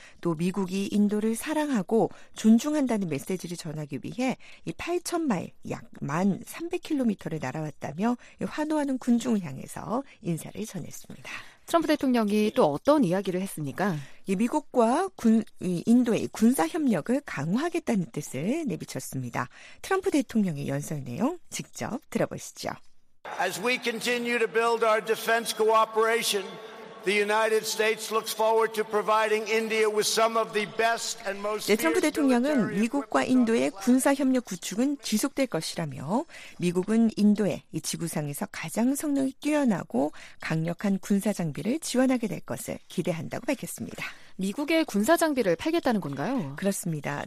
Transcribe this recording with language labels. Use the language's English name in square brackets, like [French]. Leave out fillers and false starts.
[Korean] 또 미국이 인도를 사랑하고 존중한다는 메시지를 전하기 위해 이 8천 마일 약 1,300km를 날아왔다며 환호하는 군중을 향해서 인사를 전했습니다. 트럼프 대통령이 또 어떤 이야기를 했습니까? 미국과 인도의 군사협력을 강화하겠다는 뜻을 내비쳤습니다. 트럼프 대통령의 연설 내용 직접 들어보시죠. [English] As we continue to build our defense cooperation, the United States looks forward to providing India with some of the best and most. [Korean] 네, 트럼프 대통령은 미국과 인도의 군사 협력 구축은 지속될 것이라며 미국은 인도에 이 지구상에서 가장 성능이 뛰어나고 강력한 군사 장비를 지원하게 될 것을 기대한다고 밝혔습니다. 미국의 군사 장비를 팔겠다는 건가요? 그렇습니다.